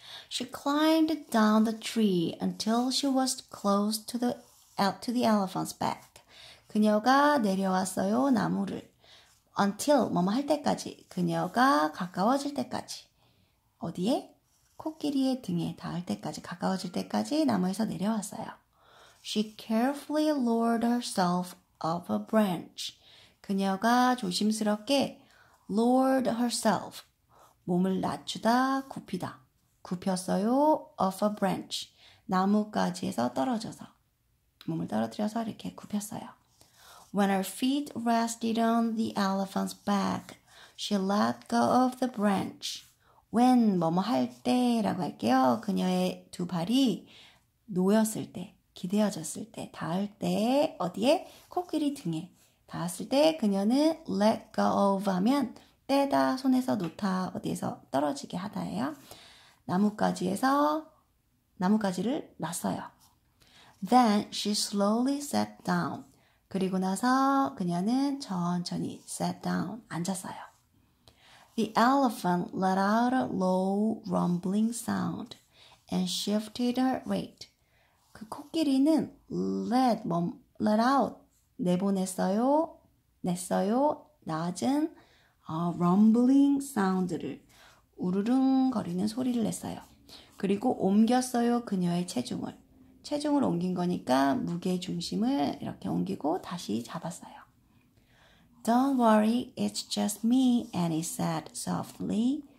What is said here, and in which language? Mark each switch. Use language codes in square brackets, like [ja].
[en] She climbed down the tree until she was close to the elephant's back. [ko] 그녀가 내려왔어요, 나무를. Until, 뭐뭐 할 때까지. 그녀가 가까워질 때까지. 어디에? 코끼리의 등에 닿을 때까지, 가까워질 때까지 나무에서 내려왔어요. [en] She carefully lowered herself off a branch. [ko] 그녀가 조심스럽게 [en] lowered herself. [ko] 몸을 낮추다, 굽히다. 굽혔어요, [en] off a branch. [ko] 나뭇가지에서 떨어져서. 몸을 떨어뜨려서 이렇게 굽혔어요. [en] When her feet rested on the elephant's back, she let go of the branch. [ko] When, 뭐뭐 할 때라고 할게요. 그녀의 두 발이 놓였을 때, 기대어졌을 때, 닿을 때, 어디에? 코끼리 등에 닿았을 때, 그녀는 [en] let go of [ko] 하면 떼다, 손에서 놓다, 어디에서 떨어지게 하다예요. 나뭇가지에서, 나뭇가지를 놨어요. [en] Then she slowly sat down. [ko] 그리고 나서 그녀는 천천히 [en] sat down, [ko] 앉았어요. [en] The elephant let out a low rumbling sound and shifted her weight. [ko] 그 코끼리는 let out, 내보냈어요, 냈어요, 낮은 rumbling sound를, 우르릉거리는 소리를 냈어요. 그리고 옮겼어요, 그녀의 체중을. 체중을 옮긴 거니까 무게 중심을 이렇게 옮기고 다시 잡았어요. [en] Don't worry, it's just me, Annie said softly.